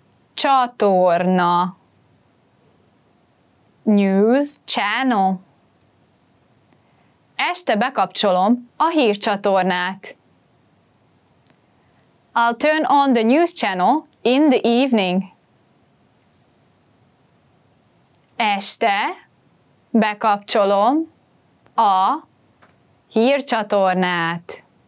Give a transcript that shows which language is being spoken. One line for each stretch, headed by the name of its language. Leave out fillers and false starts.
Hungarian: Hírcsatorna.
English: News channel.
Hungarian: Este bekapcsolom a hírcsatornát.
English: I'll turn on the news channel in the evening.
Hungarian: Este bekapcsolom a hírcsatornát.